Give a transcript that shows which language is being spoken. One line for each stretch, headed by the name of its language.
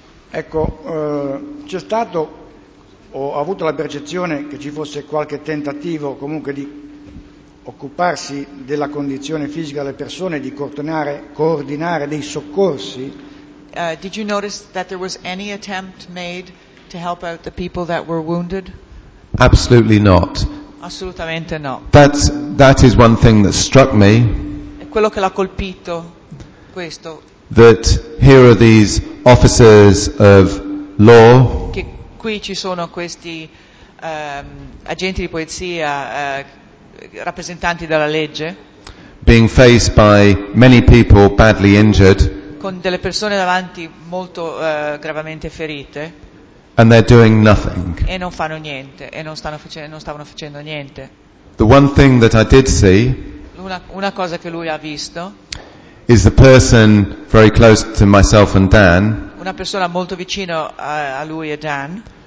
Italian: Ecco, c'è stato, ho avuto la percezione che ci fosse qualche tentativo comunque di occuparsi della condizione fisica delle persone, di coordinare dei soccorsi.
English: Did you notice that there was any attempt made to help out the people that were wounded? Absolutely not.
Italian: Assolutamente no.
English: That is one thing that struck me.
Italian: Quello che l'ha colpito, questo.
English: That here are these officers of law.
Italian: Che qui ci sono questi agenti di polizia, rappresentanti della legge.
English: Being faced by many people badly injured.
Italian: Con delle persone davanti molto gravemente ferite.
English: And they're doing nothing.
Italian: E non fanno niente, e non stavano facendo niente.
English: The one thing that I did see.
Italian: Una cosa che lui ha visto
English: is the person very close to myself and Dan,
Italian: una persona molto vicino a lui e Dan,